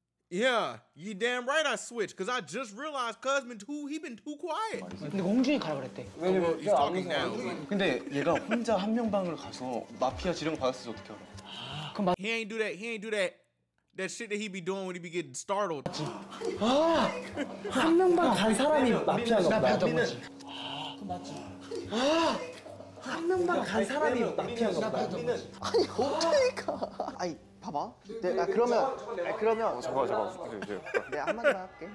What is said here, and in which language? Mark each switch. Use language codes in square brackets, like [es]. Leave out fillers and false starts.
[en] Yeah, you damn right I switched, cause I just realized cuz he been too quiet. [ko] 근데 공중에 가라 그랬대. 왜냐면 [en] he's talking now. [ko] 근데 얘가 혼자 한 명 방을 가서 마피아 지령 받았을지 어떻게 알아? 그럼 [en] he ain't do that. He ain't do that. That shit that he be doing when he be getting startled. [ko] 아, 한 명 방 간 사람이 마피아가 나 봤던 거지. 그 맞지? 아, 한 명 방 간 사람이 마피아가 나 봤던 거지. 아니 어떻게 가? 아니. 봐봐. 네, 아, 그러면 아, 그러면 잠깐만. 네, 한마디만 할게.